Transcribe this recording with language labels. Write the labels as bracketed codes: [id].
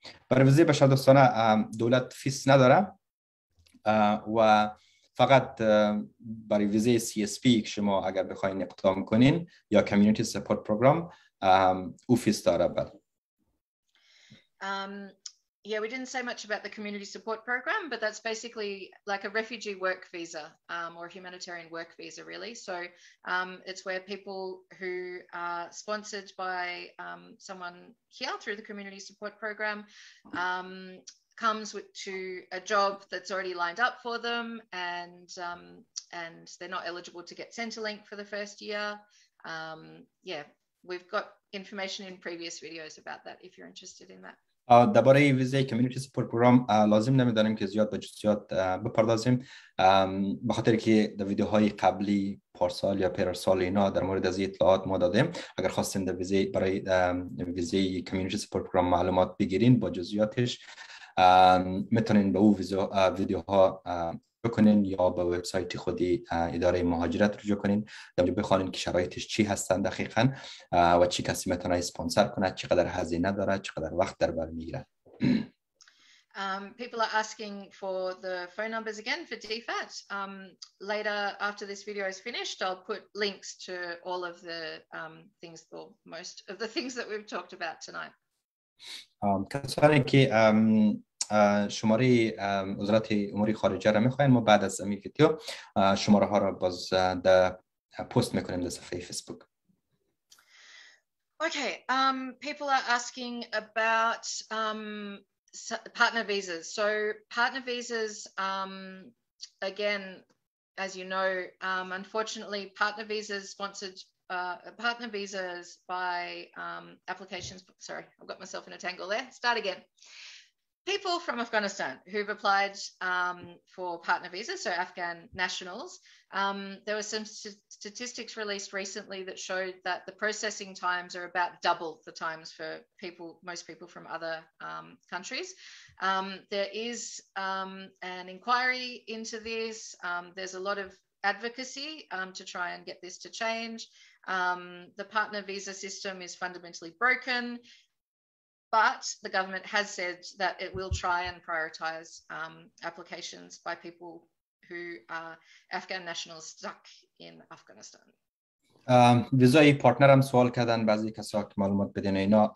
[fa] برای ویزای بشر دوستانه دولت فیس نداره و فقط برای ویزای CSP که شما اگر بخواین اقدام کنین یا کمیونیتی سپورت پروگرام او فیس داره. [en] Yeah, we didn't say much about the community support program, but that's basically like a refugee work visa or a humanitarian work visa, really. So it's where people who are sponsored by someone here through the community support program comes to a job that's already lined up for them and they're not eligible to get Centrelink for the first year. Yeah, we've got information in previous videos about that if you're interested in that. [fa] درباره ویزای کمیونیتی سپورت پروگرام لازم نمیدانیم که زیاد به جزئیات بپردازیم به خاطر که در ویدیوهای قبلی پارسال یا پیرسال اینا در مورد از اطلاعات ما دادیم. اگر خواستیم در ویزای برای ویزای کمیونیتی سپورت پروگرام معلومات بگیرین با جزئیاتش میتونین به او ویدیوها بکنین یا به وبسایت خودی اداره مهاجرت رجوع کنین، دمجو بخوانین که شرایطش چی هستن دقیقا و چی کسی میتونه اسپانسر کنه، چقدر هزینه داره، چقدر وقت در بر میگیره. [en] People are asking for the phone numbers again for DFAT. Later, after this video is finished, I'll put links to all of the things, or most of the things that we've talked about tonight. [fa] کسانی که شماره وزارت امور خارجه را میخواین ما بعد از این ویدیو شماره ها را باز در پست میکنیم در صفحه فیسبوک. [en] Okay, people are asking about partner visas. So partner visas, again, as you know, unfortunately, partner visas sponsored partner visas by applications. Sorry, I've got myself in a tangle there. Start again. People from Afghanistan who've applied for partner visas, so Afghan nationals, there were some statistics released recently that showed that the processing times are about double the times for people, most people from other countries. There is an inquiry into this. There's a lot of advocacy to try and get this to change. The partner visa system is fundamentally broken. But the government has said that it will try and prioritise applications by people who are Afghan nationals stuck in Afghanistan. [fa] ویزای پارتنر هم سوال کردن بعضی کسا که معلومات بدین اینا.